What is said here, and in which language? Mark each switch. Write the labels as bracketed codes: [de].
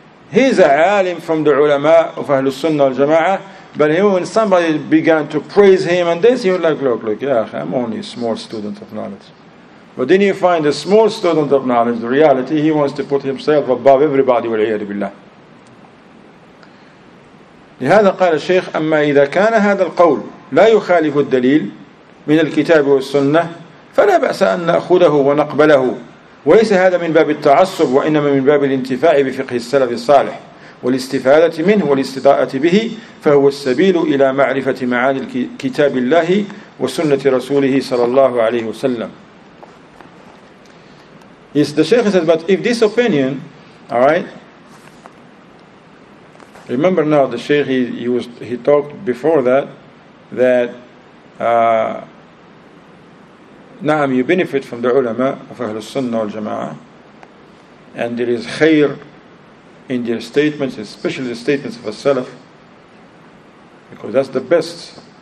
[en] He's a alim from the ulama of Ahlul Sunnah al-Jama'ah. But when somebody began to praise him and this, he was like, look, yeah, I'm only a small student of knowledge. But then you find a small student of knowledge, the reality, he wants to put himself above everybody, wal-iyadu billah. [ar] لهذا قال الشيخ أما إذا كان هذا القول لا يخالف الدليل من الكتاب والسنة فلا بأس أن نأخذه ونقبله وليس هذا من باب التعصب وإنما من باب الانتفاع بفقه السلف الصالح والاستفادة منه والاستضاءة به فهو السبيل إلى معرفة معاني كتاب الله وسنة رسوله صلى الله عليه وسلم. [en] Yes, the Sheikh said, but if this opinion, all right, remember now the Sheikh, he talked before that na'am, you benefit from the ulama of Ahlul Sunnah wal Jama'ah, and there is khair in their statements, especially the statements of a Salaf, because that's the best.